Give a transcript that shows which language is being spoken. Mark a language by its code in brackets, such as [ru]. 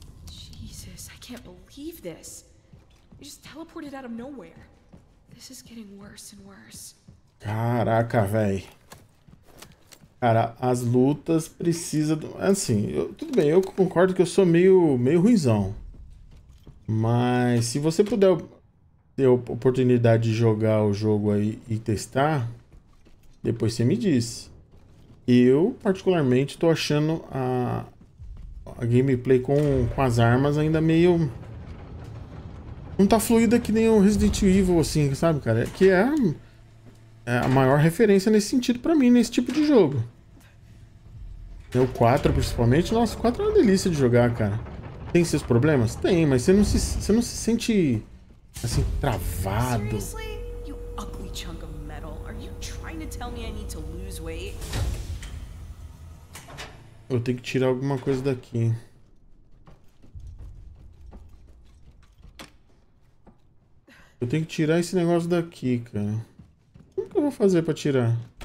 [en] Jesus, I can't believe this. You just teleported out of nowhere. This is getting worse and worse. [pt] Caraca, velho. Cara, as lutas precisa do assim, eu, tudo bem, eu concordo que eu sou meio ruizão. Mas se você puder ter oportunidade de jogar o jogo aí e testar, depois você me diz. Eu, particularmente, tô achando a gameplay com as armas ainda meio... Não tá fluida que nem o Resident Evil, assim, sabe, cara? Que é a maior referência nesse sentido pra mim, nesse tipo de jogo. O 4, principalmente. Nossa, o 4 é uma delícia de jogar, cara. Tem seus problemas? Tem, mas você não se sente... Assim, travado. [en] You ugly chunk of metal. Are you trying to tell me I need to lose weight? [pt] Eu tenho que tirar alguma coisa daqui. Eu tenho que tirar esse negócio daqui, cara. Como que eu vou fazer pra tirar?